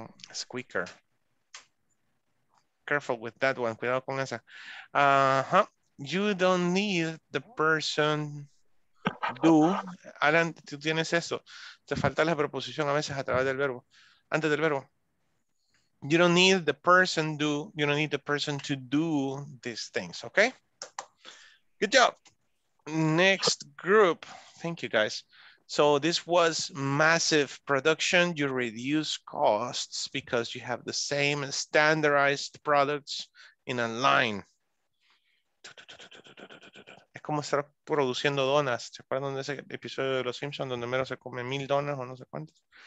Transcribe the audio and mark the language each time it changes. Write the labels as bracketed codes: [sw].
[en] It's quicker. Careful with that one, [es] cuidado con esa. [en] You don't need the person do. [es] Alan, tú tienes eso. Te falta la preposición a veces a través del verbo. Antes del verbo. [en] You don't need the person to do these things, okay? Good job. Next group. Thank you, guys. So this was massive production. You reduce costs because you have the same standardized products in a line. [es] Es como estar produciendo donas. ¿Se acuerdan de ese episodio de Los Simpsons donde Homero se come 1,000 donas o no sé cuántas?